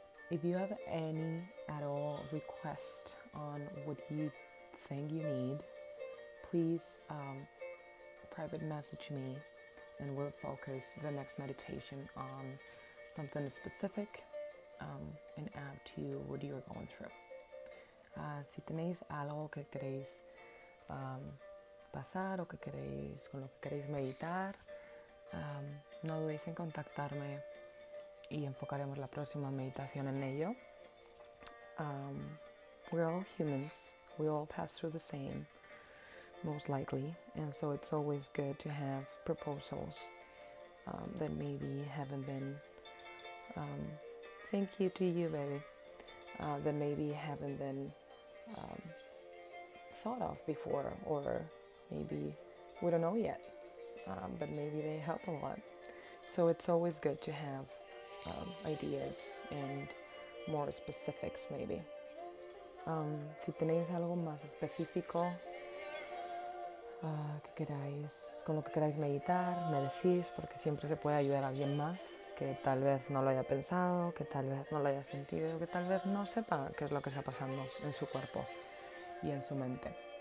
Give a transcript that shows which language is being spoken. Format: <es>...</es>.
<en>If you have any at all request on what you think you need, please private message me and we'll focus the next meditation on something specific and add to what you're going through.</en> <es>Si tenéis algo que queréis pasar o que queréis, con lo que queréis meditar, no dudéis en contactarme y enfocaremos la próxima meditación en ello.</es> <en>We're all humans. We all pass through the same, most likely. And so it's always good to have proposals that maybe haven't been... thank you to you, baby. That maybe haven't been thought of before, or maybe we don't know yet, but maybe they help a lot. So it's always good to have ideas and more specifics, maybe.</en> <es>Si tenéis algo más específico que queráis, con lo que queráis meditar, me decís, porque siempre se puede ayudar a alguien más que tal vez no lo haya pensado, que tal vez no lo haya sentido, que tal vez no sepa qué es lo que está pasando en su cuerpo y en su mente.</es>